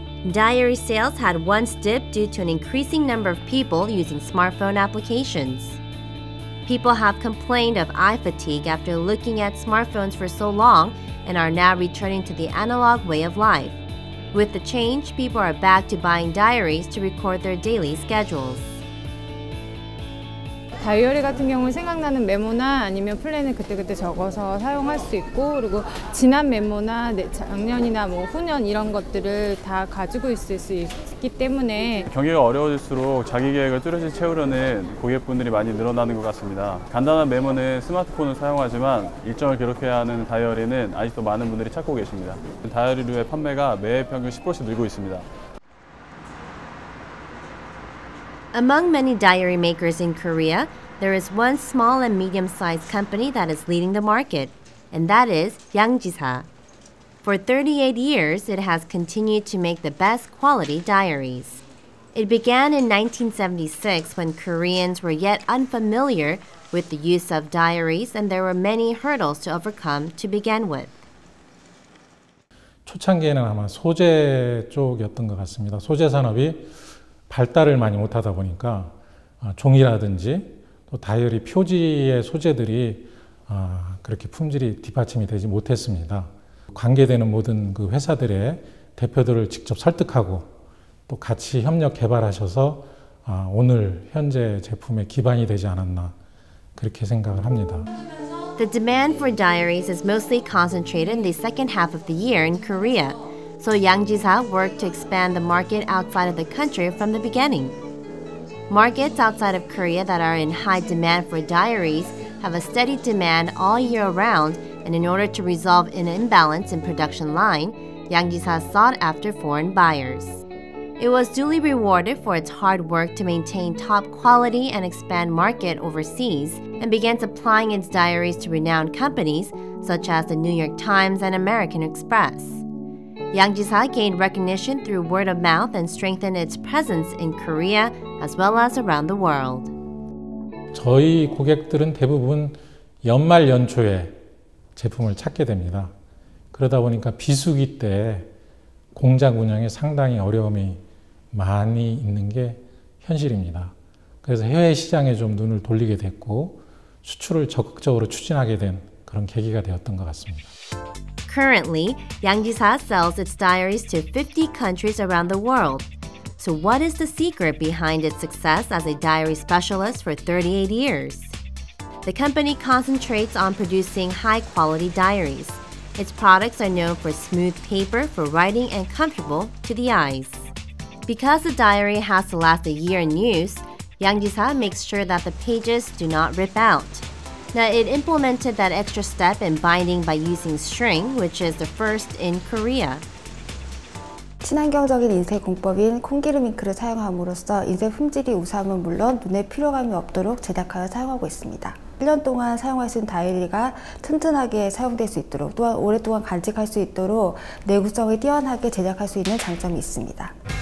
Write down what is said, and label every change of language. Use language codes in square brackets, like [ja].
[en] Diary sales had once dipped due to an increasing number of people using smartphone applications. People have complained of eye fatigue after looking at smartphones for so long and are now returning to the analog way of life. With the change, people are back to buying diaries to record their daily schedules. [ko] 다이어리 같은 경우 생각나는 메모나 아니면 플랜을 그때그때 적어서 사용할 수 있고 그리고 지난 메모나 작년이나 뭐 후년 이런 것들을 다 가지고 있을 수 있기 때문에 경기가 어려워질수록 자기 계획을 뚜렷이 채우려는 고객분들이 많이 늘어나는 것 같습니다. 간단한 메모는 스마트폰을 사용하지만 일정을 기록해야 하는 다이어리는 아직도 많은 분들이 찾고 계십니다. 다이어리류의 판매가 매해 평균 10%씩 늘고 있습니다. [en] Among many diary makers in Korea, there is one small and medium-sized company that is leading the market, and that is Yangjisa. For 38 years, it has continued to make the best quality diaries. It began in 1976 when Koreans were yet unfamiliar with the use of diaries and there were many hurdles to overcome to begin with. [ko] 초창기에는 아마 소재 쪽이었던 것 같습니다. 소재 산업이 발달을 많이 못하다 보니까 종이라든지 또 다이어리 표지의 소재들이 그렇게 품질이 뒷받침이 되지 못했습니다. 관계되는 모든 그 회사들의 대표들을 직접 설득하고 또 같이 협력 개발하셔서 오늘 현재 제품의 기반이 되지 않았나 그렇게 생각을 합니다. [en] The demand for diaries is mostly concentrated in the second half of the year in Korea. So Yangjisa worked to expand the market outside of the country from the beginning. Markets outside of Korea that are in high demand for diaries have a steady demand all year round, and in order to resolve an imbalance in production line, Yangjisa sought after foreign buyers. It was duly rewarded for its hard work to maintain top quality and expand market overseas and began supplying its diaries to renowned companies such as the New York Times and American Express. Yangjisa gained recognition through word of mouth and strengthened its presence in Korea as well as around the world. [ko] 저희 고객들은 대부분 연말 연초에 제품을 찾게 됩니다. 그러다 보니까 비수기 때 공장 운영에 상당히 어려움이 많이 있는 게 현실입니다. 그래서 해외 시장에 좀 눈을 돌리게 됐고 수출을 적극적으로 추진하게 된 그런 계기가 되었던 것 같습니다. [en] Currently, Yangjisa sells its diaries to 50 countries around the world. So what is the secret behind its success as a diary specialist for 38 years? The company concentrates on producing high-quality diaries. Its products are known for smooth paper for writing and comfortable to the eyes. Because the diary has to last a year in use, Yangjisa makes sure that the pages do not rip out. Now, it implemented that extra step in binding by using string, which is the first in Korea. [ko] 친환경적인 인쇄 공법인 콩기름 잉크를 사용함으로써 인쇄 품질이 우수함은 물론 눈에 피로감이 없도록 제작하여 사용하고 있습니다. 1년 동안 사용할 수 있는 다이어리가 튼튼하게 사용될 수 있도록 또한 오랫동안 간직할 수 있도록 내구성을 뛰어나게 제작할 수 있는 장점이 있습니다.